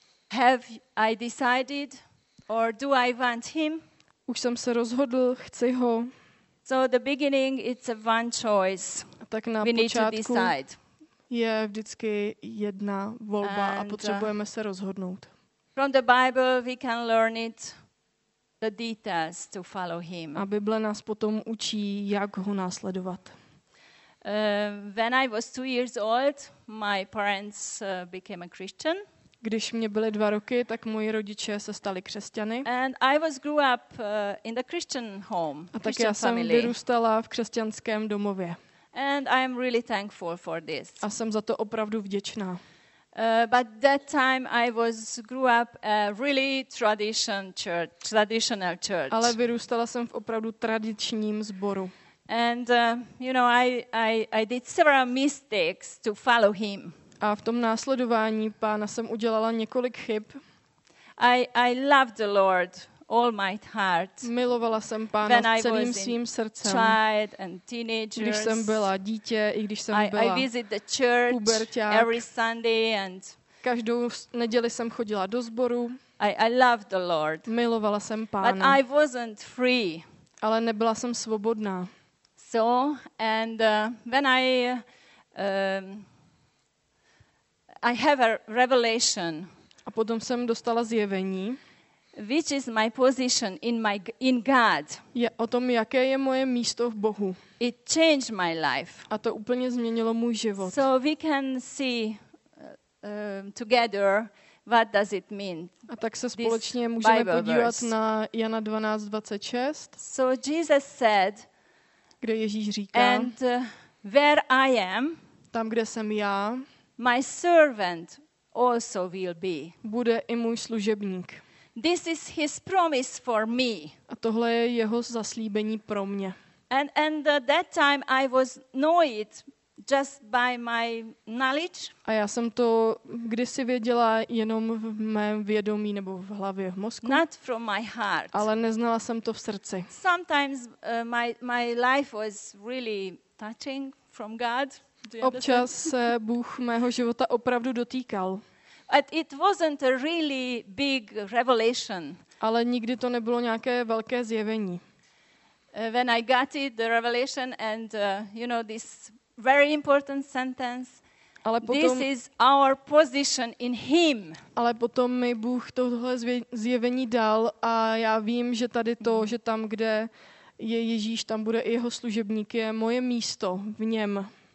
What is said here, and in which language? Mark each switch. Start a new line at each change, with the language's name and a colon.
English: Have I decided or do I want him?
Czech: Už jsem se rozhodl, chci ho.
English: So the beginning it's a one choice.
Czech: Tak na počátku. Je vždycky jedna volba a potřebujeme se rozhodnout.
English: From the Bible we can learn it, the details to follow him.
Czech: A Bible nás potom učí, jak ho následovat.
English: When I was 2 years old, my parents became a Christian.
Czech: Když mě byly 2 roky, tak moji rodiče se stali křesťany.
English: And I was grew up in the Christian home.
Czech: A tak
English: Christian
Czech: já jsem
English: family.
Czech: Vyrůstala v křesťanském domově.
English: And I am really thankful for this.
Czech: A jsem za to opravdu vděčná.
English: But that time I was grew up a really traditional church.
Czech: Ale vyrůstala jsem v opravdu tradičním sboru.
English: And you know I did several mistakes to follow him.
Czech: A v tom následování pána jsem udělala několik chyb.
English: I loved the Lord. All my heart.
Czech: Milovala jsem pána celým svým srdcem.
English: Child and teenagers.
Czech: Když jsem byla dítě, i když jsem byla
English: I visit the church
Czech: puberták.
English: Every Sunday and
Czech: každou neděli jsem chodila do sboru.
English: I loved the Lord.
Czech: Milovala jsem pána.
English: But I wasn't free.
Czech: Ale nebyla jsem svobodná.
English: So and when I have a revelation.
Czech: A potom jsem dostala zjevení.
English: Which is my position in God?
Czech: Je o tom, jaké je moje místo v Bohu.
English: It changed my life.
Czech: A to úplně změnilo můj život.
English: So we can see together what does it mean.
Czech: A tak se společně můžeme podívat na Jana 12:26.
English: So Jesus said,
Czech: kde Ježíš říká,
English: and where I am,
Czech: tam kde jsem já,
English: my servant also will be.
Czech: Bude i můj služebník.
English: This is his promise for me.
Czech: A tohle je jeho zaslíbení pro mě.
English: And that time I was know it just by my knowledge.
Czech: A já jsem to kdysi věděla jenom v mém vědomí nebo v hlavě, v mozku.
English: Not from my heart.
Czech: Ale neznala jsem to v srdci.
English: Sometimes my life was really touching from God.
Czech: Občas se Bůh mého života opravdu dotýkal.
English: But it wasn't a really big revelation.
Czech: Ale nikdy to nebylo nějaké velké zjevení.
English: When I got it, the revelation and you know this very important sentence.
Czech: Ale potom,
English: this is our position in him.
Czech: Ale potom mi Bůh tohle zjevení dal a já vím, že tady to, že tam, kde je Ježíš, tam bude i jeho služebník, je moje místo v něm.